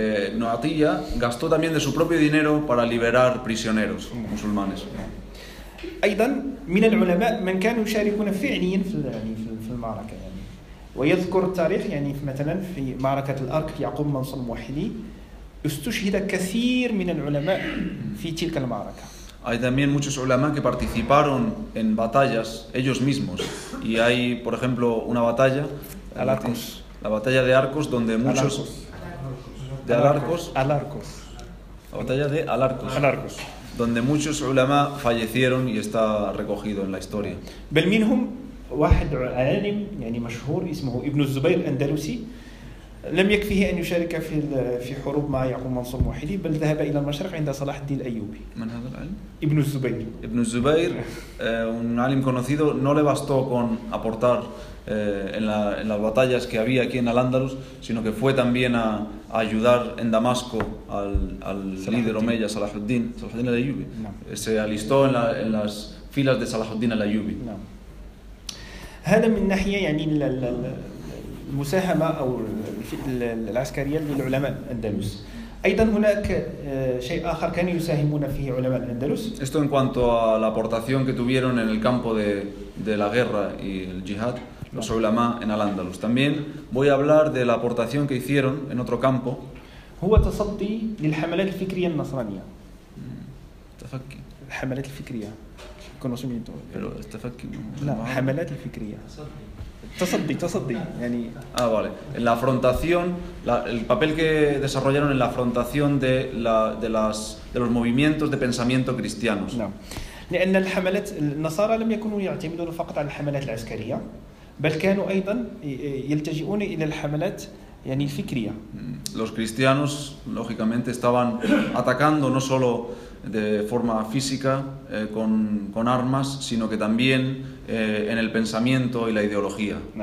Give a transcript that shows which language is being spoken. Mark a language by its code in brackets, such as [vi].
[es] Ibn Atiyah gastó también de su propio dinero para liberar prisioneros musulmanes. [ar] أيضا من العلماء من كانوا يشاركون فعليا في المعركة يعني ويذكر التاريخ يعني مثلا في معركة الأرك يعقوب منصور الموحدي استشهد كثير من العلماء في تلك المعركة. [es] Hay también muchos ulama que participaron en batallas ellos mismos y hay por ejemplo una batalla al Arcos. La batalla de Arcos, donde muchos... Al Arcos. La batalla de Al-Arcos. Al-Arcos. Donde muchos ulama fallecieron y está recogido en la historia. [ar] بل منهم واحد عالم يعني مشهور اسمه ابن الزبير الأندلسي لم يكفيه أن يشارك في حروب مع يعقوب منصور الموحدي بل ذهب إلى المشرق عند صلاح الدين الأيوبي. من هذا العالم؟ ابن الزبير. [es] ابن الزبير, un عالم conocido, no le bastó con aportar en las batallas que había aquí en Al-Ándalus, sino que fue también a ayudar en Damasco al líder Omeya, Salahuddin al-Ayyubi. No. Se alistó en las filas de Salahuddin al-Ayyubi. [ar] هذا من ناحية يعني المساهمة أو العسكرية للعلماء الأندلس. أيضا هناك شيء آخر كانوا يساهمون فيه علماء الأندلس. [es] Esto en cuanto a la aportación que tuvieron en el campo de la guerra y el jihad. Los ulama en Al-Andalus. También voy a hablar de la aportación que hicieron en otro campo. [ar] هو تصدي للحملات الفكرية النصرانية. تفكي. الحملات الفكرية. Conocimiento. [es] Pero تفكي. [ar] لا حملات الفكرية. تصدي يعني. [es] Ah vale. En la afrontación, el papel que desarrollaron en la afrontación de los movimientos de pensamiento cristianos. No. [ar] لأن الحملات النصارى لم يكونوا يعتمدون فقط على الحملات العسكرية. بل كانوا أيضا يلتجئون إلى الحملات يعني الفكرية. [es] Los cristianos lógicamente estaban atacando no solo de forma física con armas sino que también en el pensamiento y la ideología.